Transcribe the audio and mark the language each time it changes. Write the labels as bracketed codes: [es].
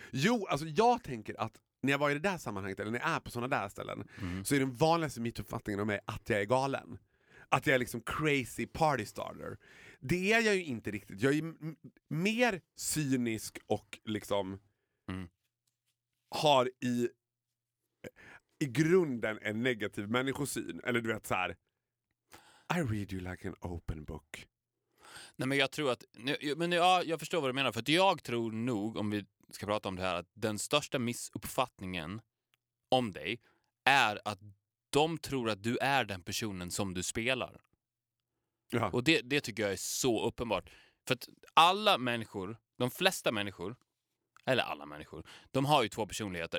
[sv] Jo, alltså jag tänker att när jag var i det där sammanhanget eller när jag är på sådana där ställen så är den vanligaste mittuppfattningen om mig att jag är galen. Att jag är liksom [en] crazy party starter. [sv] Det är jag ju inte riktigt. Jag är mer cynisk och liksom har i grunden en negativ människosyn. Eller du vet så här. [en] I read you like an open book. [sv] Nej men jag tror att, men ja, jag förstår vad du menar. För att jag tror nog, om vi ska prata om det här, att den största missuppfattningen om dig är att de tror att du är den personen som du spelar. Ja. Och det tycker jag är så uppenbart. För att alla människor, de flesta människor, eller alla människor, de har ju två personligheter.